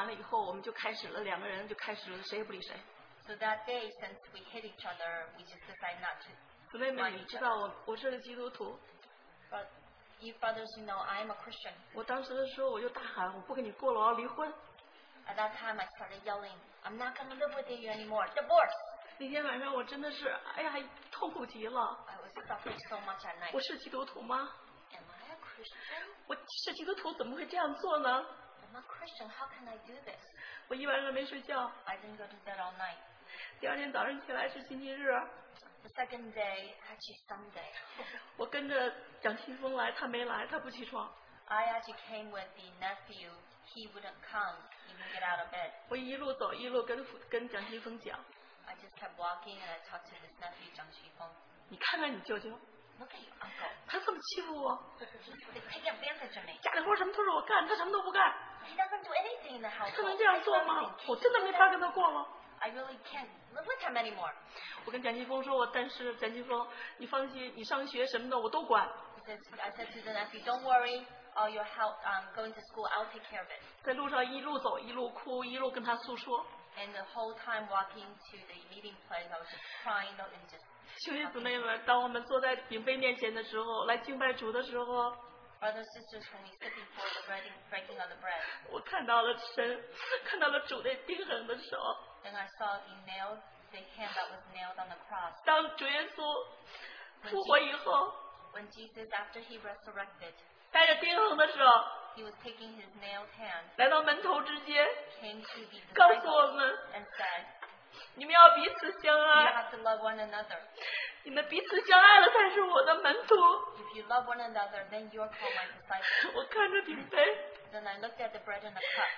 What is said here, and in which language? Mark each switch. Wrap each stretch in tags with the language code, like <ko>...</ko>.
<zh>劝架，嗯。完，我那天完了以后，我们就开始了，两个人就开始了，谁也不理谁。</zh> <en>So that day, since we hit each other, we just decided not to.</en> <zh>姊妹们，你知道我是个基督徒。</zh> <en>But you brothers, you know I'm a Christian.</en> <zh>我当时的时候，我就大喊，我不跟你过了，我要离婚。</zh> <en>At that time, I started yelling, "I'm not going to live with you anymore. Divorce."</en> <zh>那天晚上我真的是，哎呀，痛苦极了。我是基督徒吗？</zh> <en>Am I a Christian?</en> <zh>我是基督徒怎么会这样做呢？</zh> <en>I'm a Christian, how can I do this?</en> <zh>我一晚上没睡觉。</zh> <en>I didn't go to bed all night.</en> <zh>第二天早上起来是星期日。</zh> <en>The second day, actually Sunday.</en> <zh>我跟着蒋清风来，他没来，他不起床。</zh> <en>I actually came with the nephew, he wouldn't come, he didn't get out of bed.</en> <zh>我一路走一路跟蒋清风讲。</zh> <en>I just kept walking and I talked to his nephew, 蒋清风。</en> <zh>你看看你舅舅。</zh> <en>Look at your uncle.</en> <zh>他这么欺负我。</zh> <en>They take advantage of me.</en> <zh>家里活什么都是我干，他什么都不干。</zh> <en>He doesn't do anything in the house.</en> <zh>他能这样做吗？我真的没法跟他过了。</zh> <en>I really can't live with him anymore.</en> <zh>我跟蒋劲峰说，我但是蒋劲峰，你放心，你上学什么的我都管。</zh> <en>I said to the nephew, don't worry, all your help, going to school, I'll take care of it.</en> <zh>在路上一路走一路哭一路跟他诉说。</zh> <en>And the whole time walking to the meeting place, I was just crying and just.</en> <zh>兄弟姊妹们，当我们坐在饼杯面前的时候，来敬拜主的时候，</zh> <en>Brothers, sisters, when we sit before the breaking of the bread,</en> <zh>我看到了神，看到了主那钉痕的手。</zh> <en>Then I saw the nail, the hand that was nailed on the cross.</en> <zh>当主耶稣复活以后，</zh> <en>when Jesus after he resurrected,</en> <zh>带着钉痕的手，</zh> <en>he was taking his nailed hand,</en> <zh>来到门徒之间，</zh> <en>came to the</en> <zh>disciples, 告诉我们，</zh> <en>and said.</en> <zh>你们要彼此相爱。</zh> <en>You have to love one another.</en> <zh>你们彼此相爱了才是我的门徒。</zh> <en>If you love one another, then you are called my disciples.</en> <zh>我看着饼杯。</zh> <en>Then I looked at the bread and the cup.</en>